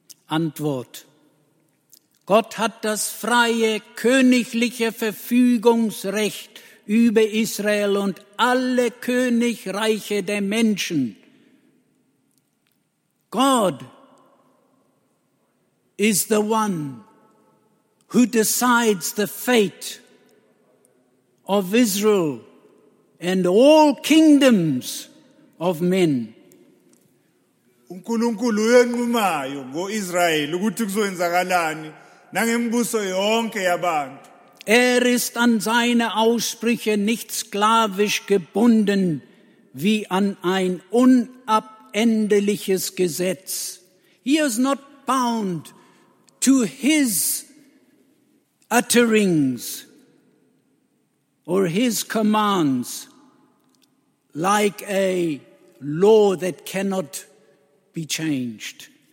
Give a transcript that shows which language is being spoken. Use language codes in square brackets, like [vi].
[de] Antwort: Gott hat das freie königliche Verfügungsrecht über Israel und alle Königreiche der Menschen. [en] God is the one who decides the fate of Israel and all kingdoms of men. [zu] Unkulunkulu uyenqumayo ngo-Israyeli ukuthi kuzowenzakalani nangembuso yonke yabantu. [de] Ist an seine Aussprüche nicht sklavisch gebunden wie an ein unabendliches Gesetz. [en] He is not bound to his utterings or his commands like a law that cannot be changed.